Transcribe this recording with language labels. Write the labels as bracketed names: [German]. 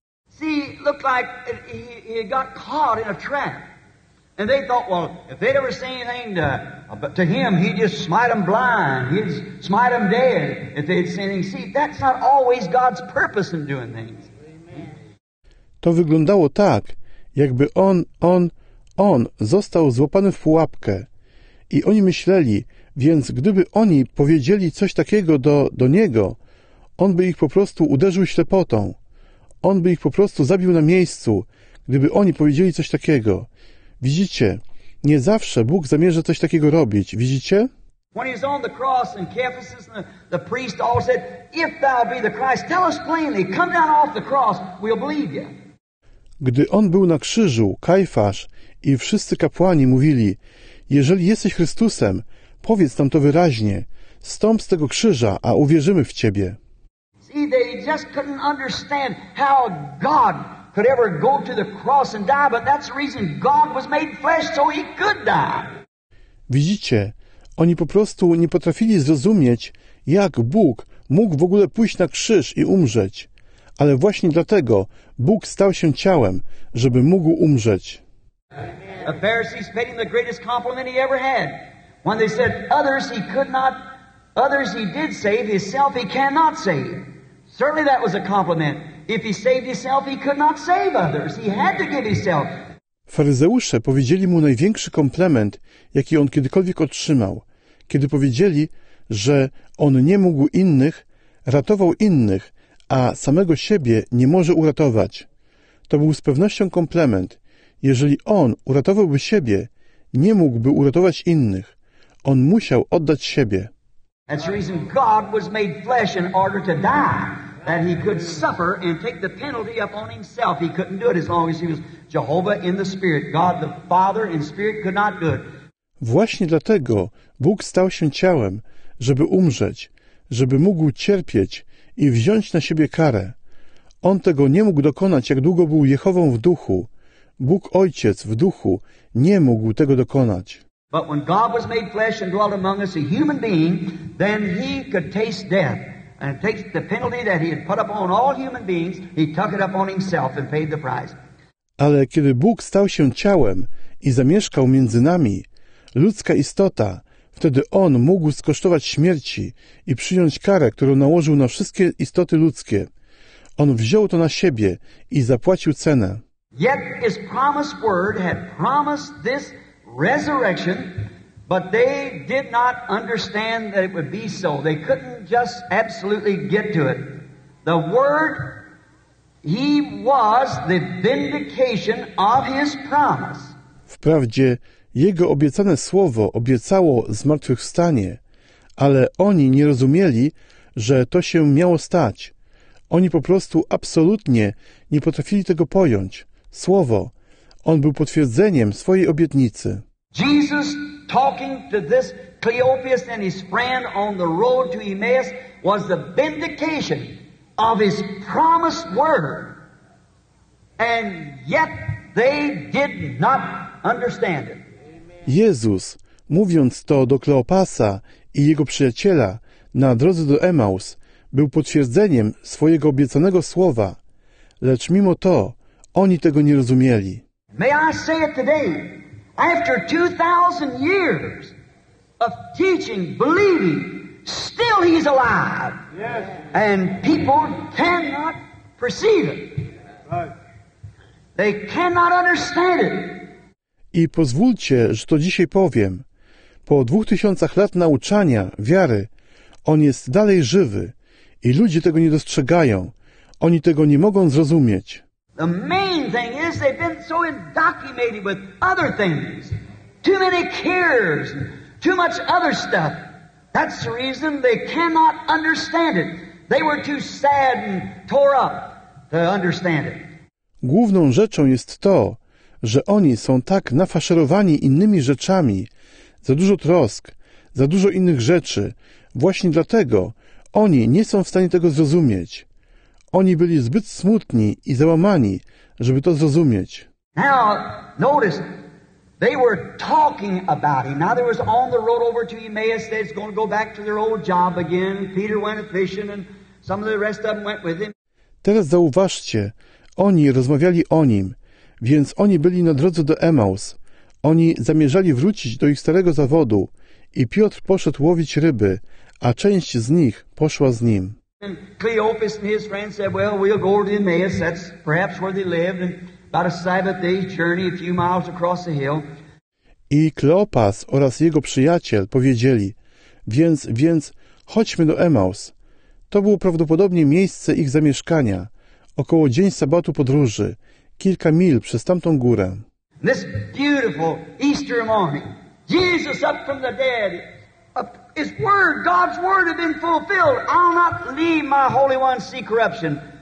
[English] See, looked like he got caught in a trap. And they thought, well, if they'd ever seen anything to him, he'd just smite them blind. He'd smite them dead if they'd seen anything. See, that's not always God's purpose in doing things. [Polish] To wyglądało tak, jakby on został złapany w pułapkę. I oni myśleli, więc gdyby oni powiedzieli coś takiego do niego, on by ich po prostu uderzył ślepotą. On by ich po prostu zabił na miejscu, gdyby oni powiedzieli coś takiego. Widzicie, nie zawsze Bóg zamierza coś takiego robić. Widzicie? [English] When he was on the cross and Caiaphas and the priest all said, if thou be the Christ, tell us plainly, come down off the cross, we'll believe you. [Polish] Gdy on był na krzyżu, Kajfasz i wszyscy kapłani mówili, jeżeli jesteś Chrystusem, powiedz nam to wyraźnie, stąp z tego krzyża, a uwierzymy w Ciebie. [English] See, they just couldn't understand how God could ever go to the cross and die, but that's the reason God was made flesh, so he could die. [Polish] Widzicie, oni po prostu nie potrafili zrozumieć, jak Bóg mógł w ogóle pójść na krzyż i umrzeć. Ale właśnie dlatego Bóg stał się ciałem, żeby mógł umrzeć. [English] The Pharisees paid him the greatest compliment he ever had. When they said, others he could not, others he did save, himself he cannot save. Certainly that was a compliment. If he saved himself, he could not save others. He had to give himself. [Polish] Faryzeusze powiedzieli mu największy komplement, jaki on kiedykolwiek otrzymał, kiedy powiedzieli, że on nie mógł innych, ratował innych, a samego siebie nie może uratować. To był z pewnością komplement. Jeżeli on uratowałby siebie, nie mógłby uratować innych. On musiał oddać siebie. [English] That's the reason God was made flesh in order to die, that he could suffer and take the penalty upon himself. He couldn't do it as long as he was Jehovah in the Spirit. God the Father in Spirit could not do it. [Polish] Właśnie dlatego Bóg stał się ciałem, żeby umrzeć, żeby mógł cierpieć i wziąć na siebie karę. On tego nie mógł dokonać, jak długo był Jehową w duchu. Bóg Ojciec w duchu nie mógł tego dokonać. [English] But when God was made flesh and dwelt among us, a human being, then he could taste death. And take the penalty that he had put upon all human beings, he took it upon himself and paid the price. [Polish] Ale kiedy Bóg stał się ciałem i zamieszkał między nami, ludzka istota, wtedy on mógł skosztować śmierci i przyjąć karę, którą nałożył na wszystkie istoty ludzkie. On wziął to na siebie i zapłacił cenę. [English] Yet his promised word had promised this resurrection, but they did not understand that it would be so. They couldn't just absolutely get to it. The word, he was the vindication of his promise. [Polish] Wprawdzie jego obiecane słowo obiecało zmartwychwstanie, ale oni nie rozumieli, że to się miało stać. Oni po prostu absolutnie nie potrafili tego pojąć. Słowo, on był potwierdzeniem swojej obietnicy. [English] Jesus talking to this Cleopas and his friend on the road to Emmaus was the vindication of his promised word. And yet they did not understand it. [Polish] Jezus, mówiąc to do Kleopasa i jego przyjaciela na drodze do Emaus, był potwierdzeniem swojego obiecanego słowa, lecz mimo to oni tego nie rozumieli. [English] May I say it today? After 2,000 years of teaching, believing, still he's alive. Yes. And people cannot perceive it. They cannot understand it. [Polish] I pozwólcie, że to dzisiaj powiem. Po 2000 lat nauczania, wiary, on jest dalej żywy i ludzie tego nie dostrzegają. Oni tego nie mogą zrozumieć. [English] The main thing is they've been so indoctrinated with other things. Too many cares, too much other stuff. That's the reason they cannot understand it. They were too sad and tore up to understand it. [Polish] Główną rzeczą jest to, że oni są tak nafaszerowani innymi rzeczami, za dużo trosk, za dużo innych rzeczy. Właśnie dlatego oni nie są w stanie tego zrozumieć. Oni byli zbyt smutni i załamani, żeby to zrozumieć. [English] Now, notice, they were talking about him. Now, they was on the road over to Emmaus. They was going to go back to their old job again. Peter went fishing and some of the rest of them went with him. [Polish] Teraz zauważcie, oni rozmawiali o nim, więc oni byli na drodze do Emaus. Oni zamierzali wrócić do ich starego zawodu i Piotr poszedł łowić ryby, a część z nich poszła z nim. [English] And Cleopas and his friend said, well, we'll go over to Emmaus, that's perhaps where they lived. And about a Sabbath day's journey, a few miles across the hill. [Polish] I Kleopas oraz jego przyjaciel powiedzieli: Więc chodźmy do Emaus. To było prawdopodobnie miejsce ich zamieszkania, około dzień sabatu podróży, kilka mil przez tamtą górę. [English] This beautiful Easter morning, Jesus up from the dead. His word, God's word had been fulfilled. I'll not leave my Holy One see corruption.